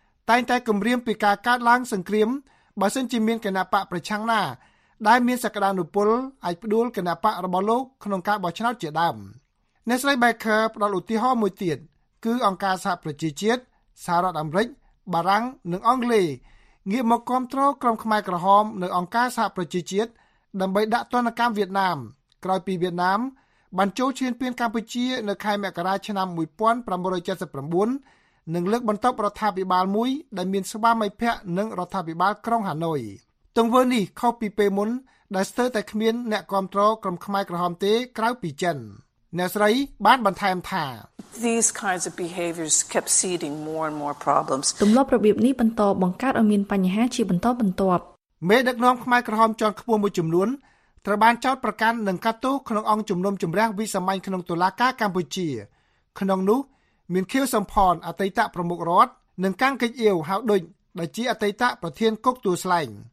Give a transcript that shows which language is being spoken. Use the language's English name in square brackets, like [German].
[Khmer] តែងតែគំរាមពីការកើតឡើងសង្គ្រាមបើសិនជាមានគណបកប្រឆាំងណាដែលមានសក្តានុពលអាចផ្ដួលគណបករបស់លោកក្នុងការបោះឆ្នោតជាដើមអ្នកស្រី Baker ផ្ដល់ឧទាហរណ៍មួយទៀតគឺអង្គការសហប្រជាជាតិសហរដ្ឋអាមេរិកបារាំងនិងអង់គ្លេសងាកមកគ្រប់គ្រងក្រុមខ្មែរក្រហមនៅអង្គការសហប្រជាជាតិដើម្បីដាក់ទណ្ឌកម្មវៀតណាមក្រោយពីវៀតណាមបានចូលឈ្លានពានកម្ពុជានៅខែមករាឆ្នាំ 1979និងលើកបន្ទប់រដ្ឋាភិបាលមួយដែលមានស្វាមីភ័ក្ដិនិងរដ្ឋាភិបាលក្រុងហាណូយទង្វើនេះខុសពីពេលមុនដែលស្ទើរតែគ្មានអ្នកគ្រប់គ្រងក្រុមខ្មែរក្រហមទេក្រៅពីចិនអ្នកស្រីបានបន្ថែមថា [English] These kinds of behaviors kept seeding more and more problems. [Khmer] ទម្លាប់របៀបនេះបន្តបង្កើតឲ្យមានបញ្ហាជាបន្តបន្ទាប់មេដឹកនាំខ្មែរក្រហមជាន់ខ្ពស់មួយចំនួនត្រូវបានចោទប្រកាន់និងកាត់ទោសក្នុងអង្គជំនុំជម្រះវិសាមញ្ញក្នុងតុលាការកម្ពុជាក្នុងនោះមានខៀវសំផនអតីតប្រមុខរដ្ឋនិងកាំងកិច្ចអ៊ាវហៅដូចដែលជាអតីតប្រធានគុកទួលស្លែង